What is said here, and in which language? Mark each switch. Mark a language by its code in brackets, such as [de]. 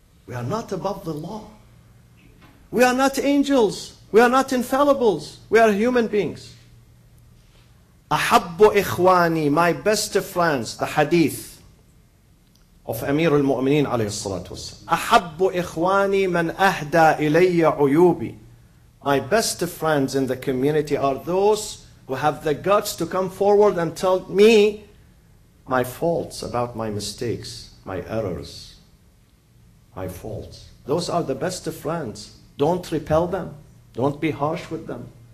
[en] We are not above the law. We are not angels. We are not infallibles. We are human beings. [ar] أحب إخواني, [en] my best friends, the hadith of Amir al-Mu'mineen [ar] عليه الصلاة والسلام. أحب إخواني من أهدى إلي عيوبي. [en] My best friends in the community are those who have the guts to come forward and tell me my faults, about my mistakes, my errors, my faults. Those are the best of friends. Don't repel them. Don't be harsh with them.